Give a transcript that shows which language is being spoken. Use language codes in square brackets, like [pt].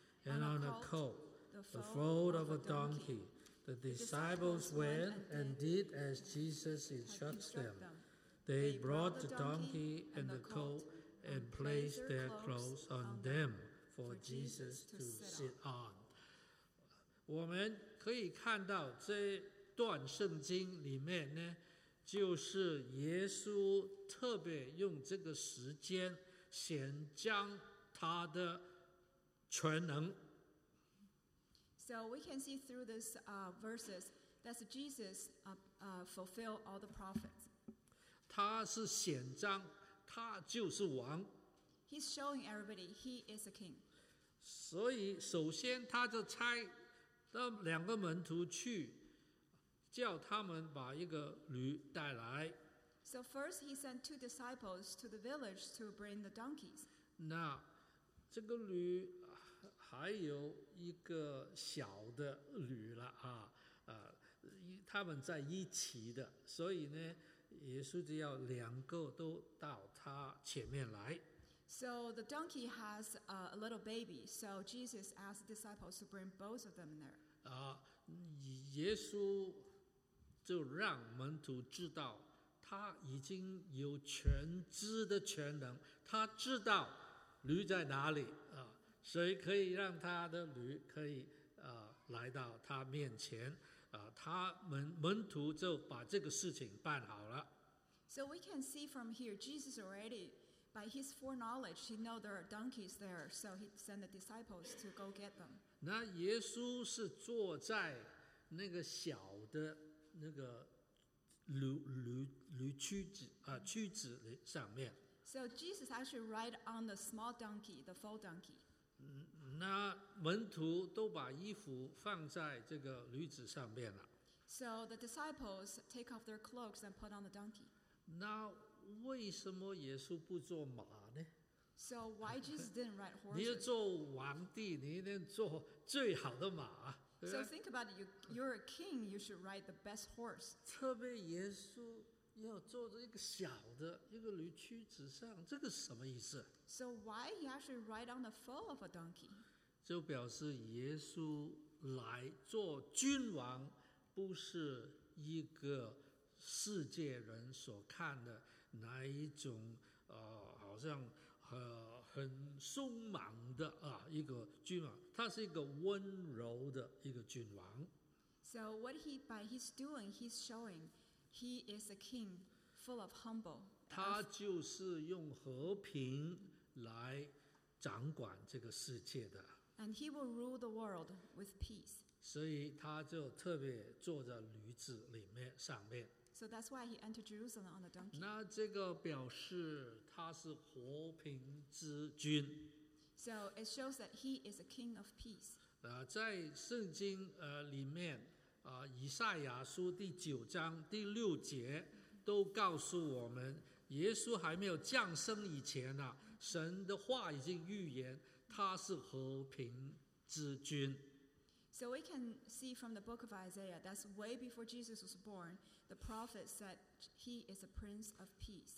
[en] And on a colt, the foal of a donkey. The disciples went and did as Jesus instructs them. They brought the donkey and the colt and placed their clothes on them for Jesus to sit on. [zh] 我们可以看到这段圣经里面呢，就是耶稣特别用这个时间显彰他的全能。 [en] So we can see through these verses that Jesus fulfilled all the prophets. [zh] 他是显彰，他就是王。 [en] He's showing everybody he is a king. [zh] 所以首先他就差那两个门徒去叫他们把一个驴带来。 [en] So first he sent two disciples to the village to bring the donkeys. [zh] 那这个驴还有一个小的驴了啊，他们在一起的，所以呢，耶稣就要两个都到他前面来。 [en] So the donkey has a little baby, so Jesus asked disciples to bring both of them there. [zh] 耶稣就让门徒知道他已经有全知的全能，他知道驴在哪里啊。谁可以让他的驴可以来到他面前他们门徒就把这个事情办好了。 [en] So we can see from here, Jesus already By his foreknowledge, he knew there are donkeys there, so he sent the disciples to go get them. [zh] 那耶稣是坐在那个小的那个驴驹子上面。 [en] So Jesus actually ride on the small donkey, the foal donkey. [zh] 那门徒都把衣服放在这个驴子上面了。 [en] So the disciples take off their cloaks and put on the donkey. [zh] 那为什么耶稣不坐马呢？ [en] So why Jesus didn't ride horses? [zh] 你要坐王帝，你一定坐最好的马。 [en] So think about it, you're a king, you should ride the best horse. [zh] 特别耶稣要坐在一个小的一个驴驹子上，这个是什么意思？ [en] So why he actually ride on the foal of a donkey? [zh] 就表示耶稣来做君王，不是一个世界人所看的那一种，好像很凶猛的啊一个君王，他是一个温柔的一个君王。 [en] So what he by his doing, he's showing he is a king full of humble. [zh] 他就是用和平来掌管这个世界的。 [en] And he will rule the world with peace. [zh] 所以他就特别坐在驴子里面上面。 [en] So that's why he entered Jerusalem on the donkey. [zh] 那这个表示他是和平之君。 [en] So it shows that he is a king of peace. [zh] 在圣经里面，以赛亚书第九章第六节都告诉我们，耶稣还没有降生以前呢，神的话已经预言他是和平之君。 [en] So we can see from the book of Isaiah, that's way before Jesus was born, the prophet said he is a prince of peace.